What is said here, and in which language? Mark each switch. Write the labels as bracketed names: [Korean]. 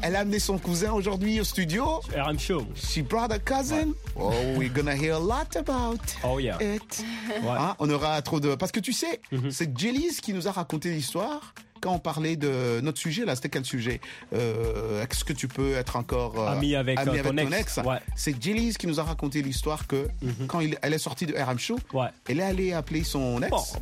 [French] Elle a amené son cousin aujourd'hui au studio. [English] I'm sure. She brought a cousin. Oh, we're going to hear a lot about it. [French] Ouais. Hein? On aura trop de. Parce que tu sais, c'est Jellys qui nous a raconté l'histoire quand on parlait de notre sujet là. C'était quel sujet? Est-ce que tu peux être encore ami avec ton ex? Ouais. C'est Jellys qui nous a raconté l'histoire que quand elle est sortie de RM Show, elle est allée appeler son ex.